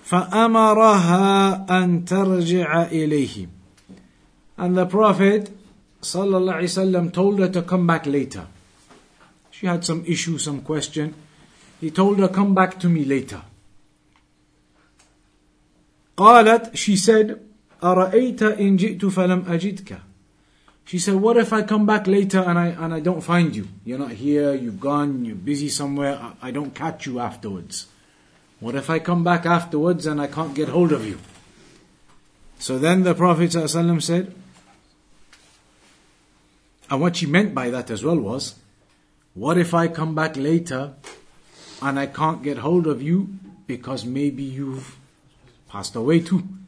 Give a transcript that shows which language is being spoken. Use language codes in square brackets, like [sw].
[ar] فَأَمَرَهَا أَن تَرْجِعَ إِلَيْهِ. [en] And the Prophet sallallahu alayhi wa sallam told her to come back later. She had some issue, some question. He told her, come back to me later. [ar] قَالَتْ, [en] she said, [ar] أَرَأَيْتَ إِن جِئْتُ فَلَمْ أَجِدْكَ. [en] She said, what if I come back later and I don't find you? You're not here, you've gone, you're busy somewhere, I don't catch you afterwards. What if I come back afterwards and I can't get hold of you? So then the Prophet ﷺ said, and what she meant by that as well was, what if I come back later and I can't get hold of you because maybe you've passed away too?